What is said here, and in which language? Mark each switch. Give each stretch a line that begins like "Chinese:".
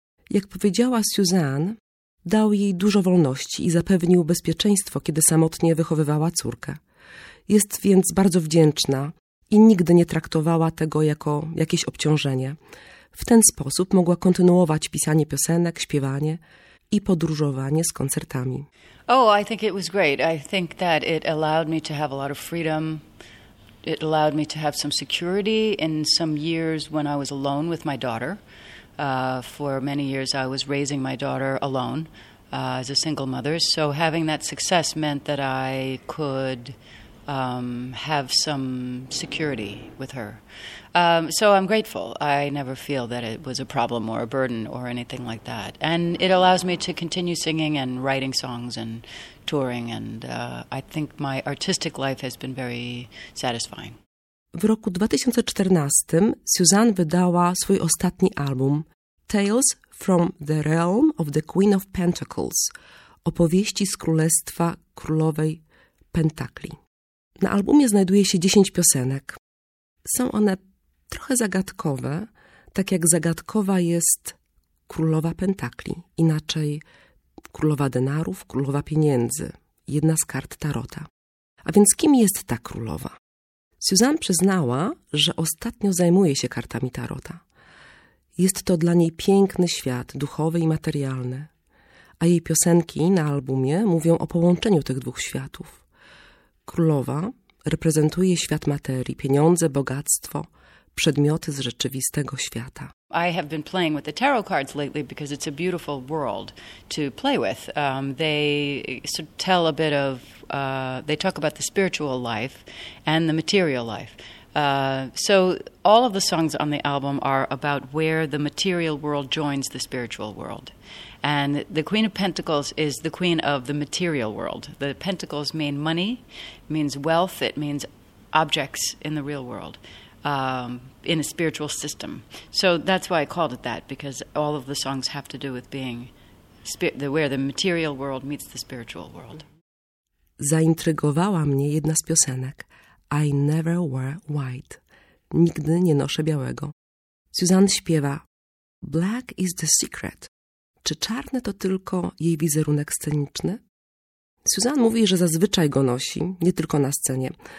Polish: Jak powiedziała Suzanne, dał jej dużo wolności i zapewnił bezpieczeństwo, kiedy samotnie wychowywała córkę. Jest więc bardzo wdzięczna i nigdy nie traktowała tego jako jakieś obciążenie. W ten sposób mogła kontynuować pisanie piosenek, śpiewanie i podróżowanie z koncertami.
English: Oh, I think it was great. I think that it allowed me to have a lot of freedom. It allowed me to have some security in some years when I was alone with my daughter. For many years I was raising my daughter alone as a single mother. So having that success meant that I could have some security with her. So I'm grateful. I never feel that it was a problem or a burden or anything like that. And it allows me to continue singing and writing songs and touring, and I think my artistic life has been very satisfying.
Polish: W roku 2014 Suzanne wydała swój ostatni album Tales from the Realm of the Queen of Pentacles, opowieści z królestwa królowej Pentakli. Na albumie znajduje się 10 piosenek. Są one trochę zagadkowe, tak jak zagadkowa jest królowa Pentakli, inaczej królowa denarów, królowa pieniędzy, jedna z kart Tarota. A więc kim jest ta królowa? Suzanne przyznała, że ostatnio zajmuje się kartami Tarota. Jest to dla niej piękny świat, duchowy i materialny. A jej piosenki na albumie mówią o połączeniu tych dwóch światów. Królowa reprezentuje świat materii, pieniądze, bogactwo, przedmioty z rzeczywistego świata.
English: I have been playing with the tarot cards lately because it's a beautiful world to play with. They sort of tell a bit of, they talk about the spiritual life and the material life. So all of the songs on the album are about where the material world joins the spiritual world. And the Queen of Pentacles is the queen of the material world. The pentacles mean money, means wealth, it means objects in the real world, in a spiritual system. So that's why I called it that, because all of the songs have to do with being where the material world meets the spiritual world.
Polish: Zaintrygowała mnie jedna z piosenek, I Never Wear White. nigdy nie noszę białego. Suzanne śpiewa
English: Black is the secret.
Polish: Czy czarne to tylko jej wizerunek sceniczny? Suzanne mówi, że zazwyczaj go nosi, nie tylko na scenie.